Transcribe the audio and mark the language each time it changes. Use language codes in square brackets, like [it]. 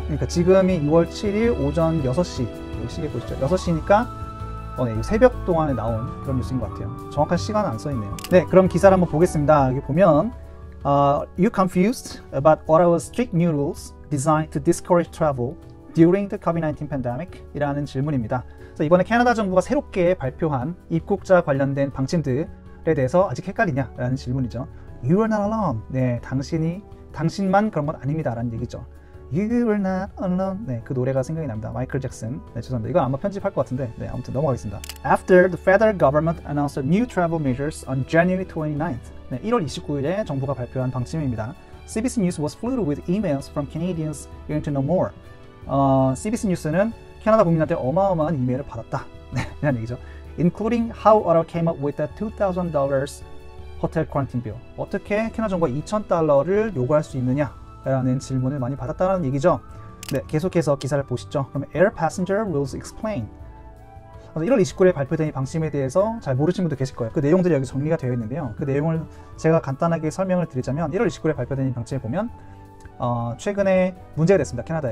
[ko] 그러니까 지금이 2월 7일 오전 6시. 시계 보시죠. 6시니까 새벽 동안에 나온 그런 뉴스인 것 같아요. 정확한 시간은 안 써있네요. 네, 그럼 기사를 한번 보겠습니다. 여기 보면 [en] You confused about what are strict new rules designed to discourage travel during the COVID-19 pandemic? [ko] 이라는 질문입니다. 그래서 이번에 캐나다 정부가 새롭게 발표한 입국자 관련된 방침들에 대해서 아직 헷갈리냐? 라는 질문이죠. [en] You are not alone. [ko] 네, 당신만 그런 건 아닙니다. 라는 얘기죠. [en] You are not alone. [ko] 네, 그 노래가 생각이 납니다. 마이클 잭슨. 네, 죄송합니다. 이건 아마 편집할 것 같은데. 네, 아무튼 넘어가겠습니다. [en] After the federal government announced new travel measures on January 29th. [ko] 네, 1월 29일에 정부가 발표한 방침입니다. [en] CBC News was flooded with emails from Canadians yearning to know more. [ko] CBC 뉴스는 캐나다 국민한테 어마어마한 이메일을 받았다. 네, 이런 얘기죠. [en] Including how Ottawa came up with the $2,000 hotel quarantine bill. [ko] 어떻게 캐나다 정부가 $2,000를 요구할 수 있느냐? 라는 질문을 많이 받았다는 얘기죠. 네, 계속해서 기사를 보시죠. [en] 그럼 Air Passenger Rules Explain. [ko] 1월 29일에 발표된 이 방침에 대해서 잘 모르신 분도 계실 거예요. 그 내용들이 여기 정리가 되어 있는데요. 그 내용을 제가 간단하게 설명을 드리자면 1월 29일에 발표된 이 방침에 보면 최근에 문제가 됐습니다. 캐나다에.